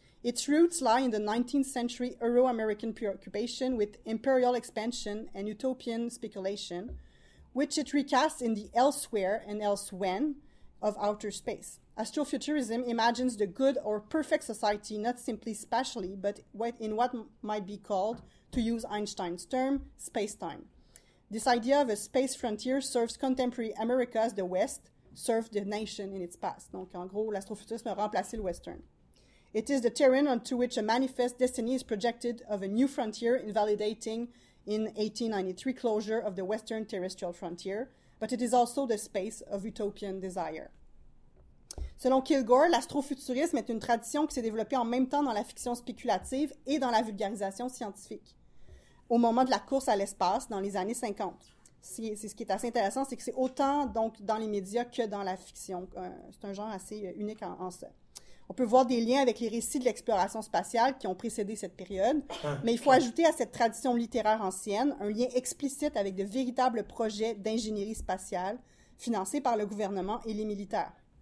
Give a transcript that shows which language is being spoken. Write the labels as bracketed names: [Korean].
[English] Its roots lie in the 19th century Euro-American preoccupation with imperial expansion and utopian speculation, which it recasts in the elsewhere and elsewhen of outer space. Astrofuturism imagines the good or perfect society not simply spatially, but in what might be called, to use Einstein's term, space-time. This idea of a space frontier serves contemporary America as the West, Surf the Nation in its Past. [French] Donc, en gros, l'astrofuturisme a remplacé le western. [English] It is the terrain onto which a manifest destiny is projected of a new frontier invalidating in 1893 closure of the western terrestrial frontier, but it is also the space of utopian desire. [French] Selon Kilgore, l'astrofuturisme est une tradition qui s'est développée en même temps dans la fiction spéculative et dans la vulgarisation scientifique, au moment de la course à l'espace dans les années 50. C'est ce qui est assez intéressant, c'est que c'est autant donc, dans les médias que dans la fiction. C'est un genre assez unique en ça. On peut voir des liens avec les récits de l'exploration spatiale qui ont précédé cette période, mais il faut ajouter à cette tradition littéraire ancienne un lien explicite avec de véritables projets d'ingénierie spatiale financés par le gouvernement et les militaires.